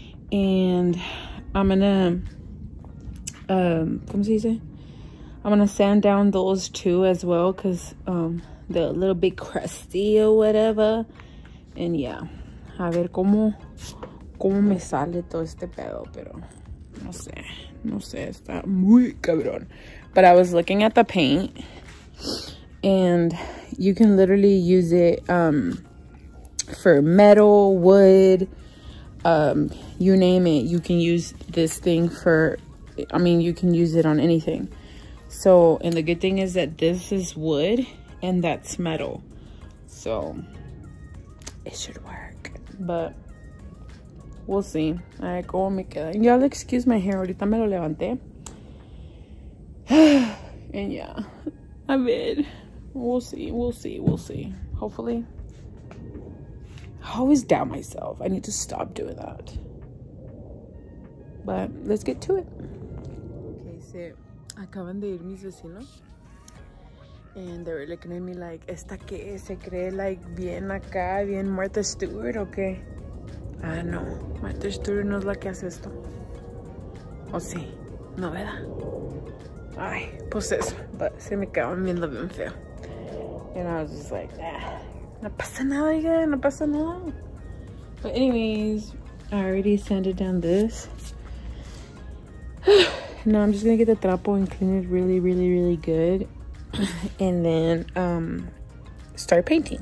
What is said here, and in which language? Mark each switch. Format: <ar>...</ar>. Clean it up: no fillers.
<en>And I'm gonna,</en> <es>¿cómo se dice?</es> <en>I'm gonna sand down those two as well, because they're a little bit crusty or whatever. And yeah,</en> <es>a ver cómo me sale todo este pedo, pero no sé, está muy cabrón.</es> <en>But I was looking at the paint, and you can literally use it for metal, wood, you name it. You can use this thing for, I mean, you can use it on anything. So, and the good thing is that this is wood and that's metal, so it should work, but we'll see. All right,</en> <es>cómo me queda.</es> <en>Y'all excuse my hair,</en> <es>ahorita me lo levanté.</es> <en>And yeah, a ver, we'll see. Hopefully, I always doubt myself. I need to stop doing that, but let's get to it. Okay, so</en> <es>acaban de ir mis vecinos.</es> <en>And they were looking at me like,</en> <es>¿esta qué? ¿Se cree</es> <en>like</en> <es>bien acá, bien Martha Stewart o qué? Ah, no. Martha Stewart no es la que hace esto. Oh, sí. No, ¿verdad? Ay, pues eso.</es> <en>But</en> <es>se me quedaron viendo bien feo.</es> <en>And I was just like,</en> <es>no pasa nada, ya. No pasa nada.</es> <en>But anyways, I already sanded down this. Now I'm just going to get the trapo and clean it really, really, really good. And then start painting.</en>